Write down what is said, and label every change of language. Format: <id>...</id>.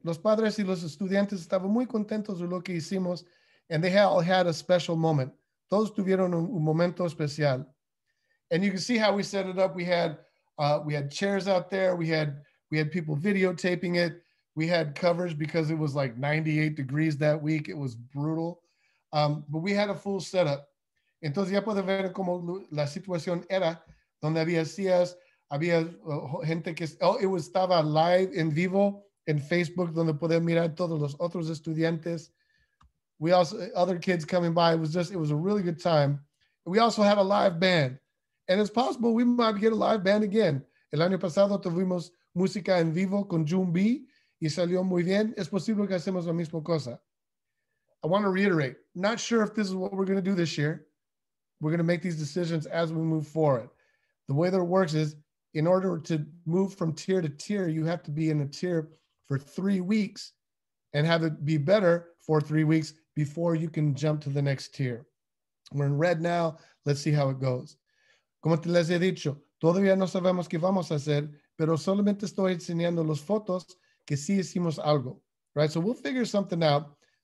<es>Los padres y los estudiantes estaban muy contentos de lo que hicimos.</es> <en>And they all had a special moment.</en> <es>Todos tuvieron un momento especial.</es> <en>And you can see how we set it up. We had chairs out there. We had people videotaping it. We had coverage because it was like 98 degrees that week. It was brutal. But we had a full setup.</en> <es>Entonces ya puede ver como la situación era, donde había sillas, había gente que,</es> <en>it was</en> <es>estaba live en vivo en Facebook, donde podían mirar todos los otros estudiantes.</es> <en>We also, other kids coming by, it was a really good time. We also had a live band. And it's possible we might get a live band again.</en> <es>El año pasado tuvimos música en vivo con June B. Y salió muy bien. Es posible que hacemos la misma cosa.</es> <en>I want to reiterate, not sure if this is what we're going to do this year. We're going to make these decisions as we move forward. The way that it works is, in order to move from tier to tier, you have to be in a tier for 3 weeks and have it be better for 3 weeks before you can jump to the next tier. We're in red now. Let's see how it goes.</en> <es>Como te les he dicho, todavía no sabemos qué vamos a hacer, pero solamente estoy enseñando las fotos que sí hicimos algo, right?</es> <en>So we'll figure something out.</en>